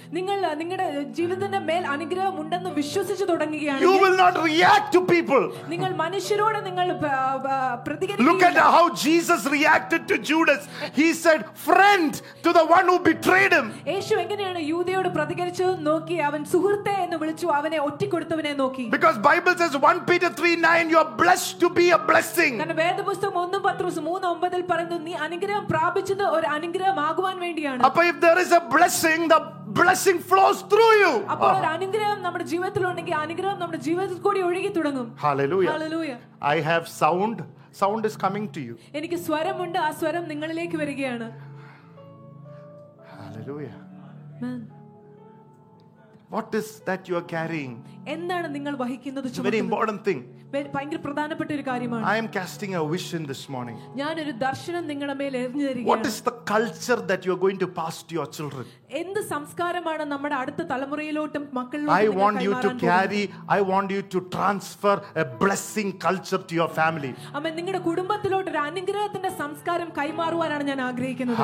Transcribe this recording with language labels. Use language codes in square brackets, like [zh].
[ml] നിങ്ങൾ നിങ്ങളുടെ ജീവിതത്തിന്റെ മേൽ അനുഗ്രഹം ഉണ്ടെന്ന് വിശ്വസിച്ച് തുടങ്ങുകയാണ് [en] you will not react to people [ml] നിങ്ങൾ മനുഷ്യരോട് നിങ്ങൾ പ്രതികരിക്കില്ല [en] look at how Jesus reacted to Judas he said friend to the one who betrayed him [ml] യേശു എങ്ങനെയാണ് യൂദയോട് പ്രതികരിച്ചു നോക്കി അവൻ സുഹൃത്തേ എന്ന് വിളിച്ചു അവനെ ഒറ്റിക്കൊടുത്തവനെ നോക്കി [en] because bible says 1 peter 3:9 you are blessed to be a blessing [ml] നമ്മുടെ വേദപുസ്തകം 1 പത്രോസ് 3:9 ൽ പറയുന്നു നീ അനുഗ്രഹം പ്രാപിച്ചത് ഒരു അനുഗ്രഹം ആകുവാൻ വേണ്ടിയാണ് അപ്പോൾ [en] if there is a blessing the blessing flows through you [ml] അപ്പോൾ ഒരു അനുഗ്രഹം നമ്മുടെ ജീവിതത്തിൽ ഉണ്ടെങ്കിൽ അനുഗ്രഹം നമ്മുടെ ജീവിതത്തിൽ കൂടി ഒഴുകി തുടങ്ങും [en] hallelujah hallelujah I have sound is coming to you [ml] എനിക്ക് സ്വരമുണ്ട് ആ സ്വരം നിങ്ങളിലേക്ക് വരികയാണ് [en] hallelujah amen What is that you are carrying? [ml] എന്താണ് നിങ്ങൾ വഹിക്കുന്നത് [en] ചുമ Very important thing. [ml] ഭയങ്കര പ്രധാനപ്പെട്ട ഒരു കാര്യമാണ്. [en] I am casting a vision this morning. [ml] ഞാൻ ഒരു ദർശനം നിങ്ങളുടെ മേൽ എറിഞ്ഞു തരികയാണ്. [en] What is the culture that you are going to pass to your children? [ml] എന്ത് സംസ്കാരമാണ് നമ്മുടെ അടുത്ത തലമുറയിലോട്ടും മക്കളിലോട്ടും [en] I want you to carry I want you to transfer a blessing culture to your family. [ml] അമ്മേ നിങ്ങളുടെ കുടുംബത്തിലോട്ട് ഒരു അനുഗ്രഹത്തിന്റെ സംസ്കാരം കൈമാറുവാനാണ് ഞാൻ ആഗ്രഹിക്കുന്നത്.